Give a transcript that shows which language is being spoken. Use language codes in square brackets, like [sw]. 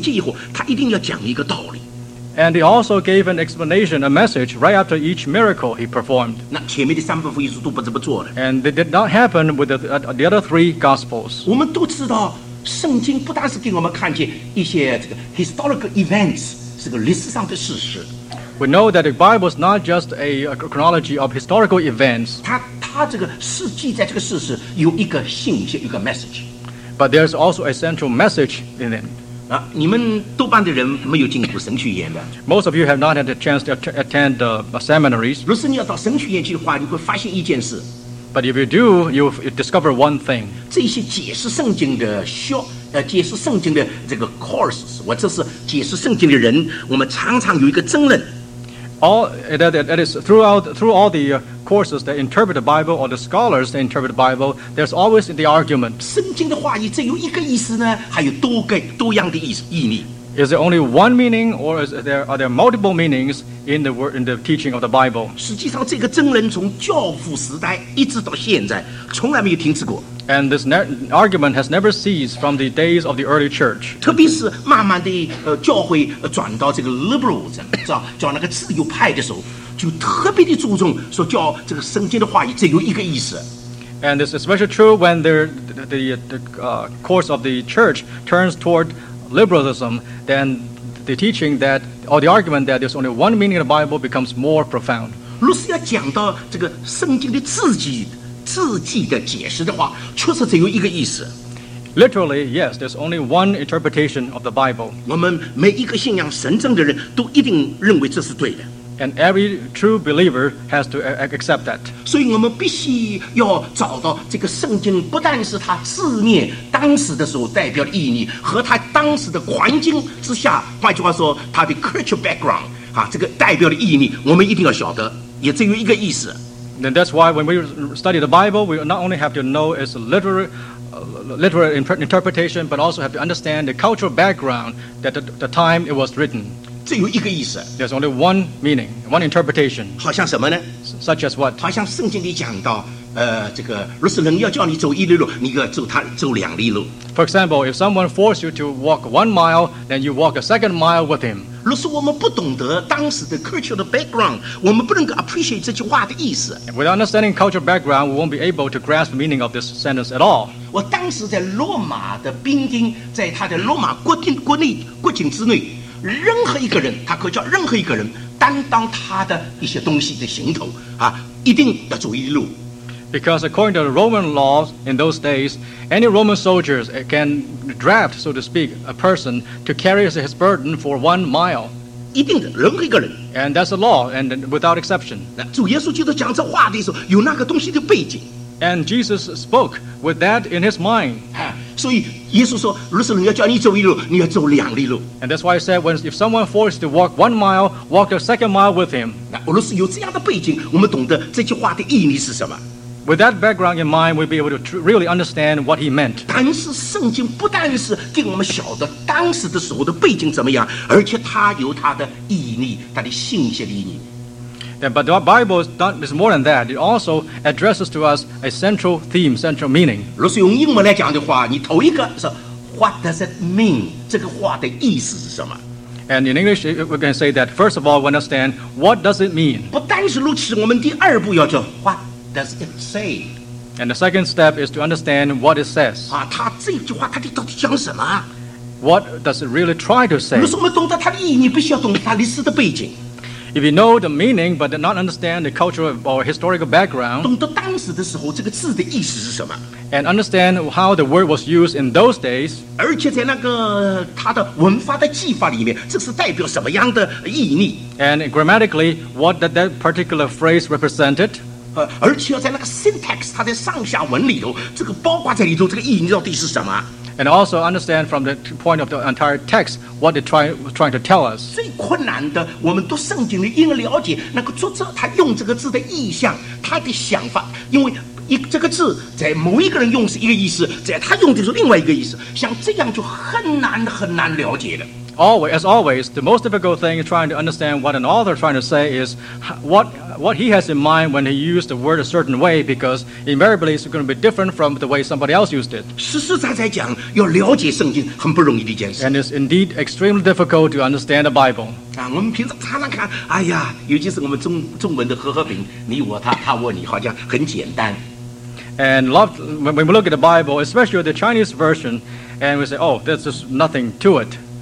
[zh] 而且每行了一个神迹以后他一定要讲一个道理, [en] and he also gave an explanation, a message right after each miracle he performed, [zh] 那前面的三本福音书都不这么做的, [en] and it did not happen with the other three Gospels. [zh] 我们都知道圣经不但是给我们看见一些这个 [en] historical events, [zh] 是个历史上的事实, [en] we know that the Bible is not just a chronology of historical events. [zh] 它这个是记载这个事实有一个信息，有一个 message. [en] But there's also a central message in it. [zh] 你们多半的人没有进过神学院的。 [en] Most of you have not had a chance to attend the seminaries. [zh] 如果你要到神学院去的话，你会发现一件事。 [en] But if you do, you discover one thing. [zh] 这些解释圣经的学，解释圣经的这个 courses， 或者是解释圣经的人，我们常常有一个争论。 [en] All that is through all the courses that interpret the Bible or the scholars that interpret the Bible, there's always the argument. [zh] 圣经的话语只有一个意思呢，还有多个多样的意思意义。 [en] Is there only one meaning, or are there multiple meanings in the word, in the teaching of the Bible? [zh] 实际上，这个争论从教父时代一直到现在，从来没有停止过。 [en] And this argument has never ceased from the days of the early church. [zh] 特别是慢慢的，教会转到这个 liberalism， 是吧？转那个自由派的时候，就特别的注重说教这个圣经的话语只有一个意思。 [en] And this is especially true when the course of the church turns toward liberalism. Then the teaching that or the argument that there's only one meaning in the Bible becomes more profound. [zh] 若是要讲到这个圣经的字迹的解释的话，确实只有一个意思。 [en] Literally, yes, there's only one interpretation of the Bible. [zh] 我们每一个信仰神证的人都一定认为这是对的。 [en] And every true believer has to accept that. [zh] 所以我们必须要找到这个圣经，不但是它字面当时的时候代表的意义，和它当时的环境之下，换句话说，它的 [en] cultural background [zh] 啊，这个代表的意义，我们一定要晓得，也只有一个意思。 [en] And that's why when we study the Bible, we not only have to know its literal interpretation, but also have to understand the cultural background that the time it was written. [zh] 只有一个意思。 [en] There's only one meaning, one interpretation. [zh] 好像什么呢？ [en] Such as what? [zh] 好像圣经里讲到，这个，若是人要叫你走一里路，你要走两里路。 [en] For example, if someone forced you to walk 1 mile, then you walk a second mile with him. [zh] 若是我们不懂得当时的 [en] cultural background， [zh] 我们不能够 appreciate 这句话的意思。 [en] Without understanding cultural background, we won't be able to grasp the meaning of this sentence at all. [zh] 我当时在罗马的兵丁，在他的罗马国境之内，任何一个人，他可叫任何一个人担当他的一些东西的行头啊，一定要走一路。 [en] Because according to the Roman laws in those days, any Roman soldiers can draft, so to speak, a person to carry his burden for 1 mile. [zh] 一定的，任何一个人。 [en] And that's the law, and without exception. [zh] 主耶稣基督讲这话的时候，有那个东西的背景。 [en] And Jesus spoke with that in his mind. [zh] 所以耶稣说，若是人要叫你走一路，你要走两里路。 [en] And that's why I said, when if someone forced to walk 1 mile, walk the second mile with him. [zh] 若是有这样的背景，我们懂得这句话的意义是什么。 [en] With that background in mind, we'll be able to really understand what he meant. [zh] 但是圣经不但是给我们晓得当时的时候的背景怎么样，而且它有它的意义，它的信息的意义。 [en] Yeah, but the Bible is more than that. It also addresses to us a central theme, central meaning. [zh] 如果是用英文来讲的话，你头一个是 [en] What does it mean? [zh] 这个话的意思是什么？ [en] And in English, we can say that first of all, we understand what does it mean. [zh] 不但是如此，我们第二步要做 [en] What? Does it say? And the second step is to understand what it says. [zh] 啊，他这句话他的到底讲什么？ [en] What does it really try to say? [zh] 如果我们懂得它的意义，你必须要懂得它历史的背景。 [en] If you know the meaning but not understand the cultural or historical background, [zh] 懂得当时的时候这个字的意思是什么？ [en] And understand how the word was used in those days. [zh] 而且在那个它的文法的技法里面，这是代表什么样的意义？ [en] And grammatically, what did that particular phrase represented? [zh] 而且在那个 syntax 它在上下文里头，这个包括在里头，这个意义到底是什么？ [en] And also understand from the point of the entire text what it trying to tell us. [zh] 最困难的，我们读圣经的应了解那个作者他用这个字的意象，他的想法，因为这个字在某一个人用是一个意思，在他用的是另外一个意思，像这样就很难很难了解的。 [en] Always, as always, the most difficult thing is trying to understand what an author is trying to say is what he has in mind when he used the word a certain way, because invariably it's going to be different from the way somebody else used it. [zh] 实实在在讲，要了解圣经很不容易的一件事。 [en] And it's indeed extremely difficult to understand the Bible. [zh] 啊，我们平时常常看，哎呀，尤其是我们中文的和合本，你我他我你，好像很简单。 [en] And love, when we look at the Bible, especially the Chinese version, and we say, oh, there's just nothing to it.